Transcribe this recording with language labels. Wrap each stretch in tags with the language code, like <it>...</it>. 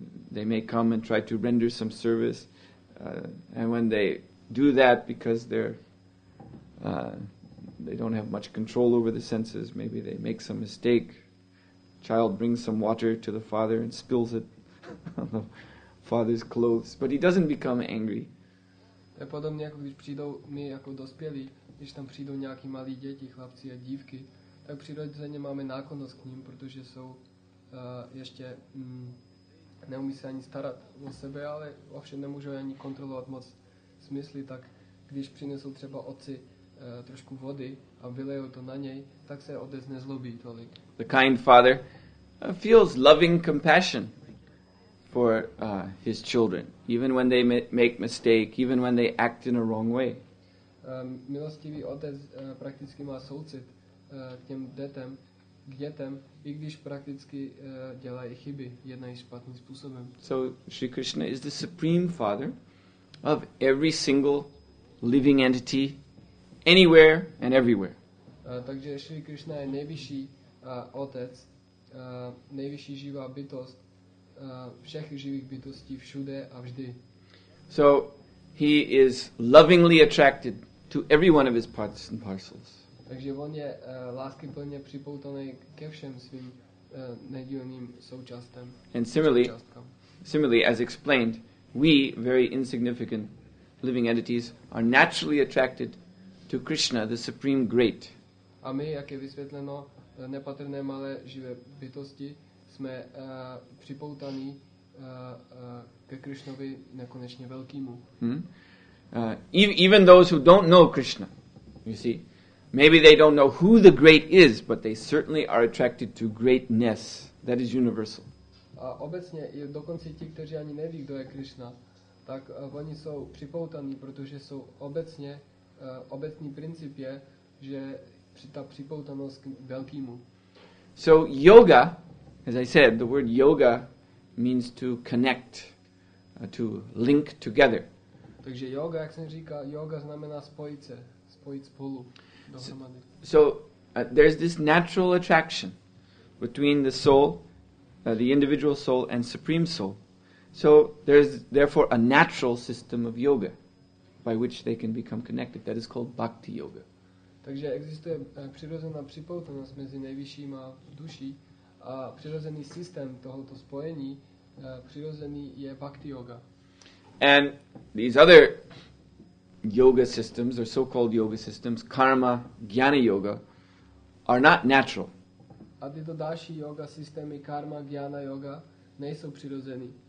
<en>They may come and try to render some service, and when they do that, because they don't have much control over the senses, maybe they make some mistake. Child brings some water to the father and spills it. Father's clothes, but he doesn't become angry.</en> <cs>Je podobně jako když přijdou my jako dospělí, když tam přijdou nějaký malí děti, chlapci a dívky, tak přirozeně máme náklonost k ním, protože jsou ještě neumí se ani starat o sebe, ale ovšem nemůžou ani kontrolovat moc smysly, tak když přinesou třeba otci trošku vody a vylejou to na něj, tak se otec nezlobí tolik.</cs> <en>The kind father feels loving compassion for his children, even when they make mistake, even when they act in a wrong way.</en> <cs>Milostivý otec prakticky má soucit k těm dětem, i když prakticky dělají chyby, jednají špatným způsobem.</cs> <en>So Sri Krishna is the supreme father of every single living entity, anywhere and everywhere.</en> <cs>Takže Sri Krishna je nejvyšší otec, nejvyšší živá bytost, všech živých bytostí všude a vždy.</cs> <en>So he is lovingly attracted to every one of his parts and parcels.</en> <cs>Takže on je láskyplně připoutaný ke všem svým nedílným součástem.</cs> <en>And similarly, as explained, we very insignificant living entities are naturally attracted to Krishna, the supreme great.</en> <cs>A my, jak je vysvětleno, nepatrné malé živé bytosti, jsme připoutaní ke Krishnovi nekonečně velkýmu. Hmm.</cs> <en>Even those who don't know Krishna, you see, maybe they don't know who the great is, but they certainly are attracted to greatness. That is universal.</en> <cs>A obecně i dokonce ti, kteří ani neví, kdo je Krishna, tak oni jsou připoutaní, protože jsou obecně, obecný princip je, že ta připoutanost k velkýmu.</cs> <en>So yoga, as I said, the word yoga means to connect, to link together.</en> <cs>Takže yoga, jak jsem říkal, yoga znamená spojit se, spojit spolu.</cs> <en>So there's this natural attraction between the soul, the individual soul and supreme soul. So there's therefore a natural system of yoga by which they can become connected. That is called bhakti yoga.</en> <cs>Takže existuje přirozená připoutanost mezi nejvyšším a duší. A přirozený systém tohoto spojení, přirozený je bhakti yoga.</cs> <en>And these other yoga systems, or so-called yoga systems, karma, jnana yoga, are not natural.</en> <cs>A tyto další yoga systémy, karma, jnana yoga, nejsou přirozený.</cs>